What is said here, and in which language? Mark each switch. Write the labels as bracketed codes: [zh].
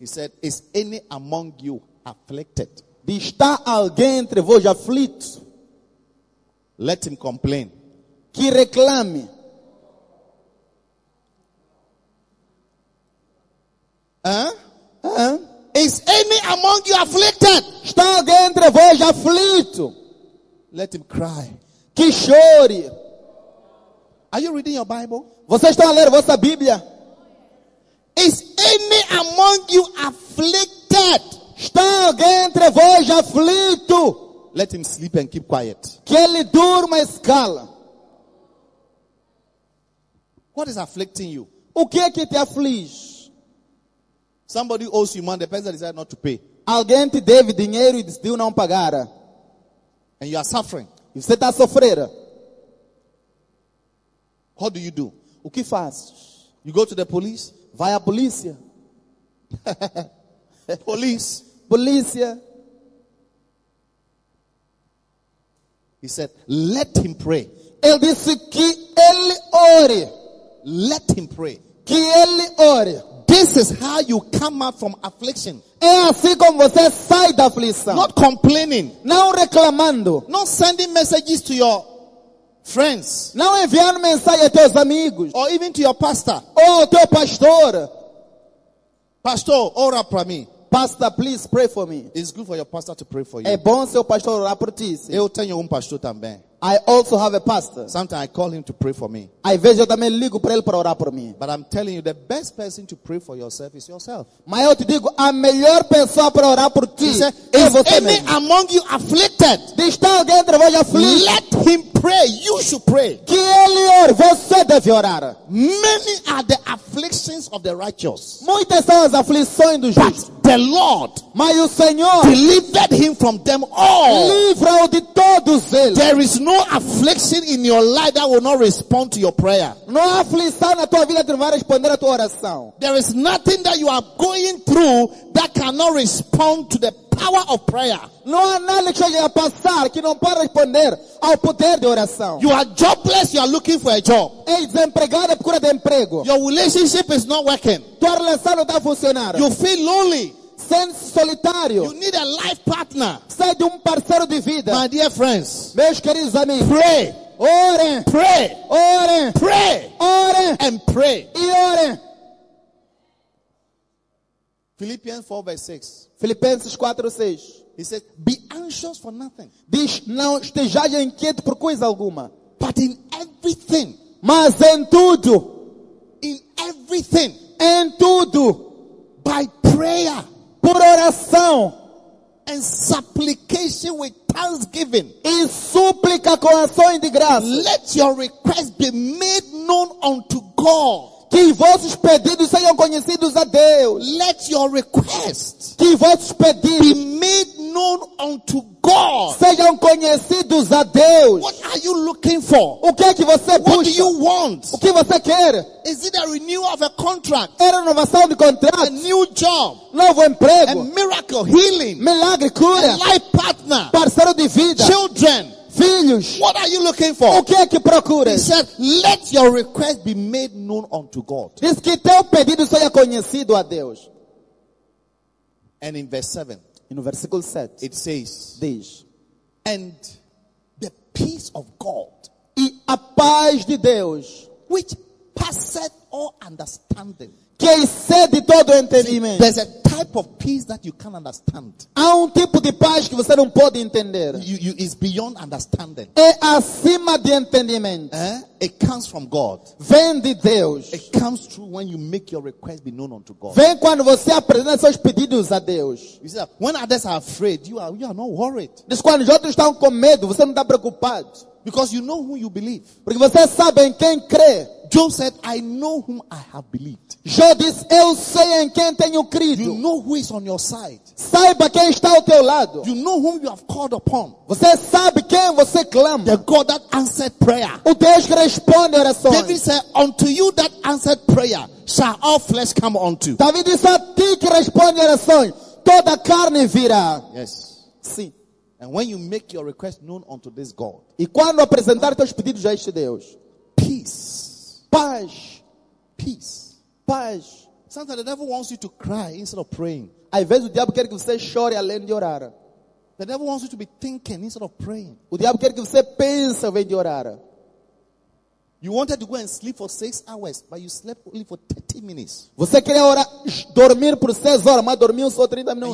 [en] He said, "Is any among you afflicted?" [pt] De está alguém entre vós aflito? [en] Let him complain. [pt] Que reclame. [en] Is any among you afflicted? [pt] Está alguém entre vós aflito? [en] Let him cry. [pt] Que chore. [en] Are you reading your Bible? [pt] Vocês estão a ler a vossa Bíblia? [en] Is any among you afflicted? [pt] Está alguém entre vós aflito? [en] Let him sleep and keep quiet. [pt] Que ele durma e escala. [en] What is afflicting you? [pt] O que é que te aflige? [en] Somebody owes you money, the person decided not to pay. [pt] Alguém te deve dinheiro e decidiu não pagar. [en] And you are suffering. [pt] E você está a sofrer. [en] What do you do? [pt] O que faz? [en] You go to the police? [pt] Vai à polícia. [en] Police. [pt] Polícia. [en] He said, let him pray. [pt] Ele disse que ele ore. [en] Let him pray. [pt] Que ele ore. [en] This is how you come out from affliction. [pt] É assim como você sai da aflição. [en] Not complaining. [pt] Não reclamando. [en] Not sending messages to your friends. [pt] Não enviando mensagem a teus amigos. [en] Or even to your pastor. [pt] Ou ao teu pastor. Pastor, ora para mim. [en] Pastor, please pray for me. It's good for your pastor to pray for you. [pt] É bom seu pastor orar por ti. Eu tenho pastor também. [en] I also have a pastor. Sometimes I call him to pray for me. [pt] Às vezes eu também ligo para ele para orar por mim. [en] But I'm telling you, the best person to pray for yourself is yourself. [pt] Mas eu te digo, a melhor pessoa para orar por ti é você mesmo. [en] Is any among you afflicted? [pt] Está alguém entre vós aflito? [en] Let him pray. You should pray. [pt] Que ele ore. Você deve orar. [en] Many are the afflictions of the righteous. [pt] Muitas são as aflições dos justos. [en] But the Lord, [pt] mas o Senhor, [en] delivered him from them all. [pt] Livrou de todos eles. [en] There is no affliction in your life that will not respond to your prayer. [pt] Não há aflição na tua vida que não vai responder a tua oração. [en] There is nothing that you are going through that cannot respond to the power of prayer. [pt] Não há nada que você vai passar que não pode responder ao poder de oração. [en] You are jobless, you are looking for a job. [pt] É desempregado à procura de emprego. [en] Your relationship is not working. [pt] Tua relação não está funcionando. [en] You feel lonely. [pt] Sente solitário. [en] You need a life partner. [pt] Sai de parceiro de vida. [en] My dear friends, [pt] meus queridos amigos, [en] pray. [pt] Ore. [en] Pray. [pt] Ore. [en] Pray. [pt] Ore. [en] And pray. [pt] E ore. [en] Philippians 4 verse 6. [pt] Filipenses 4, 6. [en] He says, be anxious for nothing. [pt] Diz, não esteja inquieto por coisa alguma. [en] But in everything. [pt] Mas em tudo. [en] In everything. [pt] Em tudo. [en] By prayer. [pt] Por oração. [en] And supplication with thanksgiving. [pt] E súplica com ações de graça. [en] Let your request be made known unto God. [pt] Que vossos pedidos sejam conhecidos a Deus. [en] Let your request. [pt] Que vossos pedidos [en] be made known unto God. [pt] Sejam conhecidos a Deus. [en] What are you looking for? [pt] O que é que você busca? [en] What do you want? [pt] O que você quer? [en] Is it a renewal of a contract? [pt] É a renovação de contrato? [en] A new job? [pt] Novo emprego? [en] A miracle, healing? [pt] Milagre, cura? [en] A life partner? [pt] Parceiro de vida? [en] Children? [pt] Filhos, [en] what are you looking for? [pt] O que é que procuras? [en] He said, let your request be made known unto God. [pt] Diz que teu pedido seja conhecido a Deus. [en] And in verse 7. [pt] E no versículo 7. [en] It says. [pt] Diz. [en] And the peace of God. [pt] E a paz de Deus. [en] Which passeth all understanding. [pt] Que excede todo entendimento. [en] There's a type of peace that you can't understand. [pt] Há tipo de paz que você não pode entender. [en] It's beyond understanding. [pt] É acima de entendimento. [en] Eh? It comes from God. [pt] Vem de Deus. [en] It comes through when you make your request be known unto God. [pt] Vem quando você apresenta seus pedidos a Deus. [en] You see, when others are afraid, you are not worried. [pt] Diz, quando os outros estão com medo, você não está preocupado. [en] Because you know who you believe. [pt] Porque você sabe em quem crê. [en] Job said, I know whom I have believed. [pt] Jó disse, eu sei em quem tenho crido. [en] You know who is on your side. [pt] Saiba quem está ao teu lado. [en] You know whom you have called upon. [pt] Você sabe quem você clama. [en] The God that answered prayer. [pt] O Deus que responde orações. [en] David said, unto you that answered prayer shall all flesh come unto. [pt] David disse, a ti que responde orações, toda carne virá. [en] Yes. [pt] Sim. [en] And when you make your request known unto this God. [pt] E quando apresentar teus pedidos a este Deus. [en] Peace. [pt] Paz. [en] Peace. [pt] Paz. [en] Sometimes the devil wants you to cry instead of praying. [pt] Às vezes o diabo quer que você chore além de orar. [en] The devil wants you to be thinking instead of praying. [pt] O diabo quer que você pense além de orar. [en] You wanted to go and sleep for 6 hours, but you slept only for 30 minutes. [pt] Você queria orar, dormir por 6 horas, mas dormiu só 30 minutos.